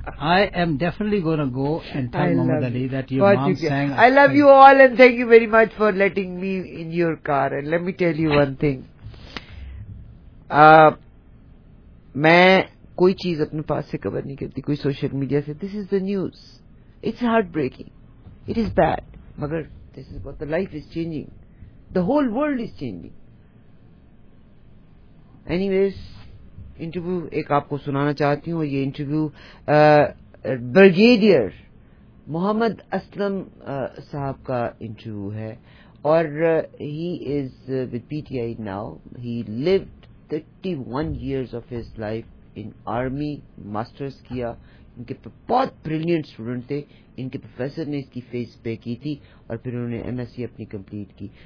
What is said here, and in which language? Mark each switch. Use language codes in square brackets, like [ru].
[en] I am definitely gonna go and tell Muhammad Ali that your mom sang. I love you all and thank you very much for letting me in your car. And let me tell you one thing. [hi] मैं कोई चीज अपने पास से cover नहीं करती, कोई social media से, [en] this is the news. It's heartbreaking. It is bad. मगर this is what the life is changing. The whole world is changing. [hi] Anyways interview एक आपको सुनाना चाहती हूँ, ये इंटरव्यू ब्रिगेडियर मोहम्मद असलम साहब का इंटरव्यू है और [en] He is with PTI now. He lived 31 years of his life in army, [hi] masters किया, इनके बहुत ब्रिलियंट स्टूडेंट थे, इनके प्रोफेसर ने इसकी फीस पे की थी और फिर उन्होंने एमएससी अपनी कंप्लीट की.